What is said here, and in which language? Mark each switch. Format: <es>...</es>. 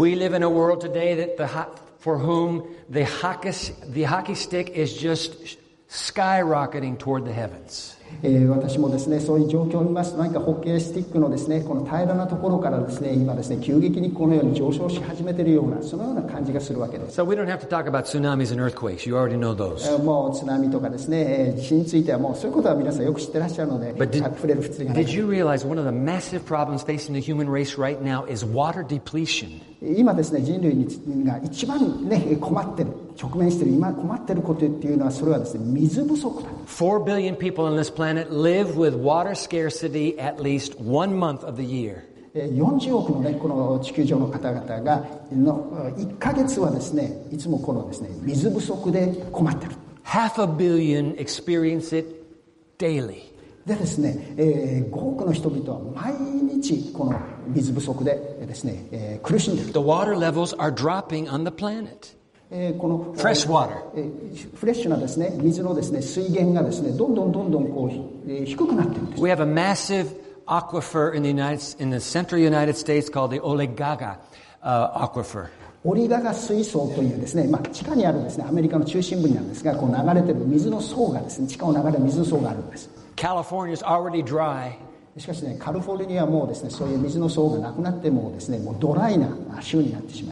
<en>We live in a world today that the hotFor whom the hockey stick is just skyrocketing toward the heavens.</en> <ja>私もですね、そういう状況を見ますと、何かホッケースティックのですね、この平らなところからですね、今ですね、急激にこのように上昇し始めているような、そのような感じがするわけです。</ja> <en>So we don't have to talk about tsunamis and earthquakes. You already know those.</en> <ja>もう津波とかですね、地震についてはもうそういうことは皆さんよく知ってらっしゃるので、触れる必要がない。</ja> <en>Did you realize one of the massive problems facing the human race right now is water depletion?</en> <ja>今ですね、人類が一番ね、困ってる、直面している、今困ってることっていうのは、それはですね、水不足だ。</ja> <en>4 billion people on this planet live with water scarcity at least one month of the year.</en> <ja>40億のね、この地球上の方々が、の1ヶ月はですね、いつもこのですね、水不足で困ってる。</ja> <en>Half a billion experience it daily.</en> <ja>でですね、多くの人々は毎日この水不足でですね、苦しんでいる。</ja> <en>The water levels are dropping on the planet.</en> <ja>この</ja> <en>fresh water.</en> <ja>フレッシュなですね、水のですね、水源がですね、どんどんどんどんこう、低くなっているんです。</ja> <en>We have a massive aquifer in the United in the central United States called the Olegaga, aquifer.</en> <ja>オリガガ水槽というですね、まあ、地下にあるですね、アメリカの中心部にあるんですが、こう流れている水の層がですね、地下を流れる水の層があるんです。</ja> <en>California is already dry.</en> <ja>しかしね、カリフォルニアはもうですね、そういう水の層がなくなってもですね、もうドライな州になってしま</ja>